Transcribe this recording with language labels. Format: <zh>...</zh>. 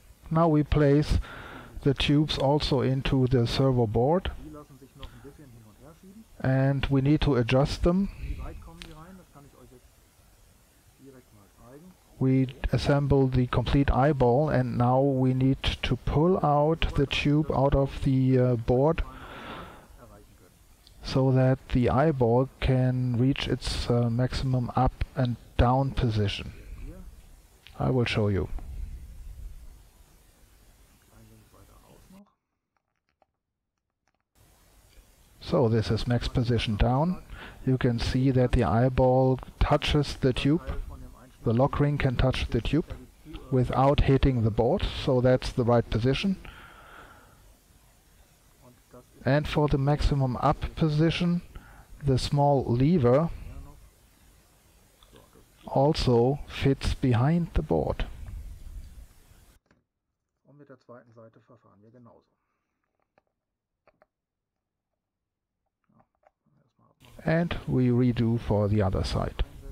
<en>Now we place the tubes also into the servo board.</en> <de>Die lassen sich noch ein bisschen hin und her schieben.</de> <en>And we need to adjust them.</en> <de>Wie weit kommen die rein? Das kann ich euch jetzt</de> <en>we assemble the complete eyeball, and now we need to pull out the tube out of the board so that the eyeball can reach its maximum up and down position. I will show you. So this is max position down. You can see that the eyeball touches the tube. The lock ring can touch the tube without hitting the board, so that's the right position. And for the maximum up position, the small lever also fits behind the board.</en> <de>Und mit der zweiten Seite verfahren wir genauso.</de> <en>And we redo for the other side.</en>